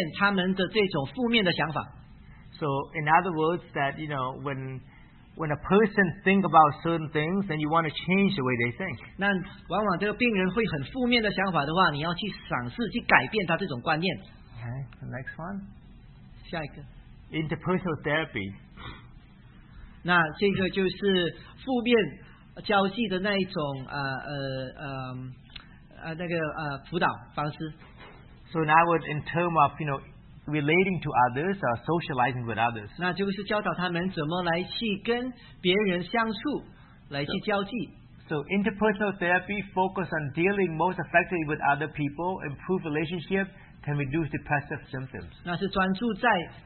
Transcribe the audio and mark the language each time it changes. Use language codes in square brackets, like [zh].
[zh] 去认知，然后去改变他们的这种负面的想法。 [en] So in other words, that you know, when a person think about certain things, then you want to change the way they think. [zh] 那往往这个病人会很负面的想法的话，你要去尝试去改变他这种观念。 [en] Okay, the next one. [zh] 下一个。 [en] Interpersonal therapy. [zh] 那这个就是负面交际的那一种辅导方式。 [en] So now in terms of, you know, relating to others or socializing with others. [zh] 那就是教导他们怎么来去跟别人相处，来去交际。 [en] So interpersonal therapy focuses on dealing most effectively with other people, improve relationship, can reduce depressive symptoms.